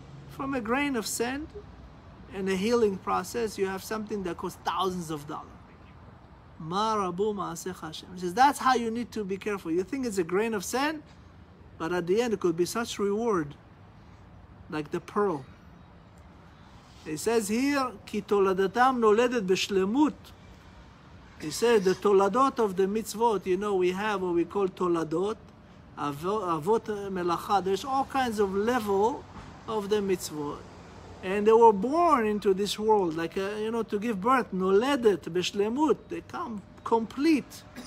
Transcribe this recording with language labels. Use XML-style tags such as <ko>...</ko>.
<en>From a grain of sand and a healing process, you have something that costs thousands of dollars. Ma rabu ma'asech Hashem. He says, that's how you need to be careful. You think it's a grain of sand, but at the end it could be such reward. Like the pearl.</en> <he>It says here, כי תולדתם נולדת בשלמות,</he> <en>He said the toladot of the mitzvot, you know, we have what we call toladot, avot melacha. There's all kinds of level of the mitzvot. And they were born into this world, like, you know, to give birth, noledet, beshlemut, they come complete.</en>